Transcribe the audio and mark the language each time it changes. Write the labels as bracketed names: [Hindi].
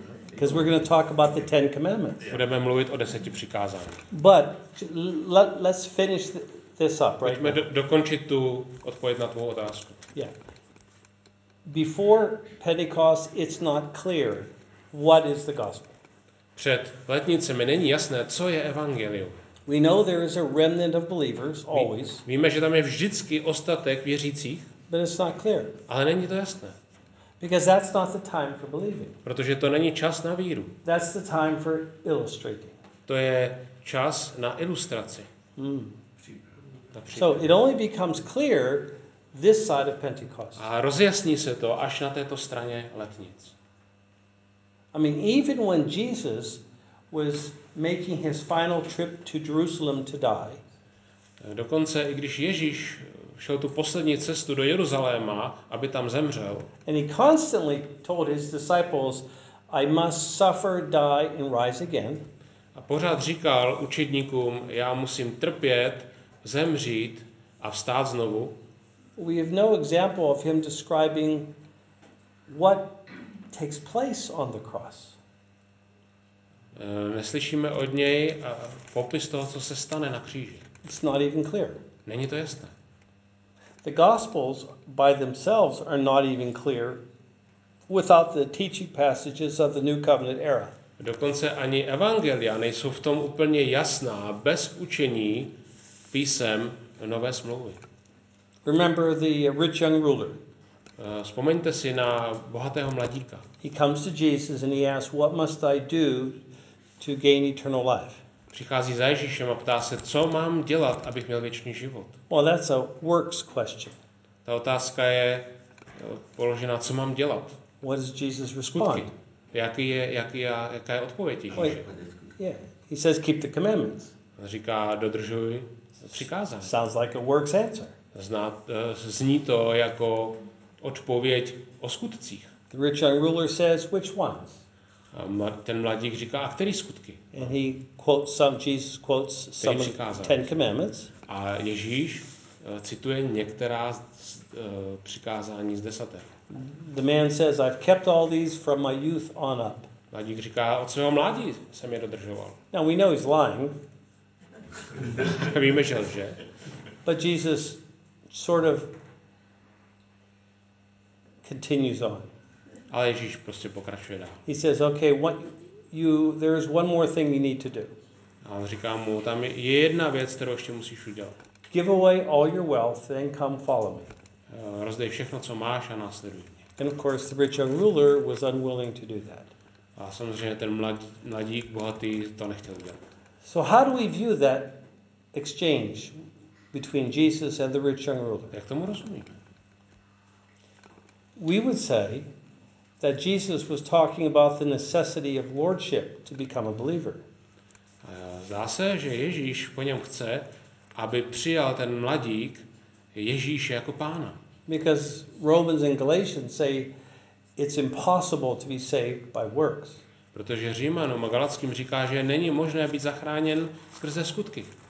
[English] Because we're going to talk about the Ten Commandments. [Czech] Budeme mluvit o 10 přikázáních. [English] But let's finish this up, right? [Czech] Pojďme dokončit tu odpověď na tvou otázku. [English] Yeah. Before Pentecost, it's not clear what is the gospel. [Czech] Před letnicemi není jasné, co je evangelium. [English] We know there is a remnant of believers always. [Czech] Víme, že tam je vždycky ostatek věřících. [English] But it's not clear. [Czech] Ale není to jasné. [English] Because that's not the time for believing. [Czech] Protože to není čas na víru. [English] That's the time for illustrating. [Czech] To je čas na ilustraci. Mm. [English] So it only becomes clear this side of Pentecost. [Czech] A rozjasní se to až na této straně letnic. [English] I mean, even when Jesus was making his final trip to Jerusalem to die. [Czech] Dokonce i když Ježíš šel tu poslední cestu do Jeruzaléma, aby tam zemřel. [English] And he constantly told his disciples, I must suffer, die and rise again. [Czech] A pořád říkal učedníkům, já musím trpět, zemřít a vstát znovu. [English] We have no example of him describing what takes place on the cross. [Czech] Neslyšíme od něj popis toho, co se stane na kříži. [English] It's not even clear. [Czech] Není to jasné. [English] The Gospels by themselves are not even clear without the teaching passages of the New Covenant era. [Czech] Dokonce ani evangelia nejsou v tom úplně jasná bez učení písem nové smlouvy. [English] Remember the rich young ruler. [Czech] Vzpomeňte si na bohatého mladíka. [English] He comes to Jesus and he asks, what must I do to gain eternal life? [Czech] Přichází za Ježíšem a ptá se, co mám dělat, abych měl věčný život. [English] Well, that's a works question. [Czech] Ta otázka je položena, co mám dělat. [English] What does Jesus respond? [Czech] Jaká je odpověď Ježíše? [English] He says, keep the commandments. [Czech] Říká, dodržuj přikázání. [English] Sounds like a works answer. [Czech] Zní to jako odpověď o skutcích. [English] The rich young ruler says, which ones? [Czech] Ten mladík říká, a který skutky? [English] And he quotes some, Jesus quotes some of the Ten Commandments. [Czech] A Ježíš cituje některá z přikázání z desatera. [English] The man says, I've kept all these from my youth on up. [Czech] Mladík říká, od svého mládí jsem je dodržoval. [English] Now we know he's lying. [Czech] Víme, že lže. [English] But Jesus sort of continues on. [Czech] Ale Ježíš prostě pokračuje dál. [English] He says, okay, what you there is one more thing you need to do. [Czech] A on říká mu, tam je jedna věc, kterou ještě musíš udělat. [English] Give away all your wealth and come follow me. [Czech] Rozdej všechno, co máš a následuj mě. [English] And of course the rich young ruler was unwilling to do that. [Czech] A samozřejmě ten mladík bohatý to nechtěl udělat. [English] So how do we view that exchange between Jesus and the rich young ruler? [Czech] Jak tomu rozumíme? [English] We would say that Jesus was talking about the necessity of lordship to become a believer. [Czech] Zdá se, že Ježíš po něm chce, aby přijal ten mladík Ježíše jako pána. [English] Because Romans and Galatians say it's impossible to be saved by works. [Czech] Protože Římanům a Galackým říká, že není možné být zachráněn skrze skutky.